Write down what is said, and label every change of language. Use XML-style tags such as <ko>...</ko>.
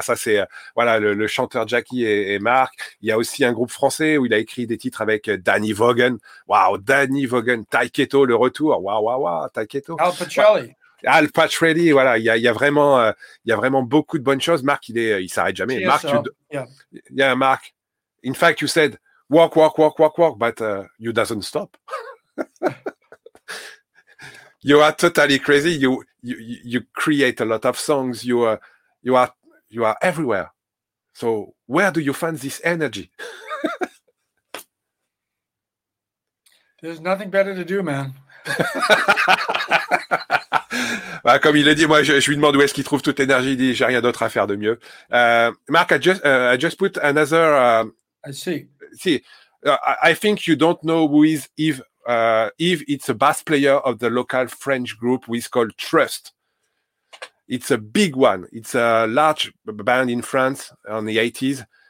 <fr>Ça, c'est le chanteur Jack E et Marc. Il y a aussi un groupe français où il a écrit des titres avec Danny Vaughan. Waouh, Danny Vaughan. Ty Kato, le retour. Waouh, Ty Kato. Al Petrelli. Al Petrelli, voilà, il y a vraiment beaucoup de bonnes choses. Marc, il s'arrête jamais. Marc, Marc.</fr> <en>In fact, you said walk, but you doesn't stop. You are totally crazy. You create a lot of songs. You are everywhere. So where do you find this energy? There's nothing better to do, man.</en> <fr>Bah, comme il l'a dit, moi je lui demande où est-ce qu'il trouve toute l'énergie. Il dit j'ai rien d'autre à faire de mieux.</fr> <en>Marc, I just put another. I think you don't know who is Yves. Yves, it's a bass player of the local French group who is called Trust. It's a big one. It's a large band in France in the 80s.</en>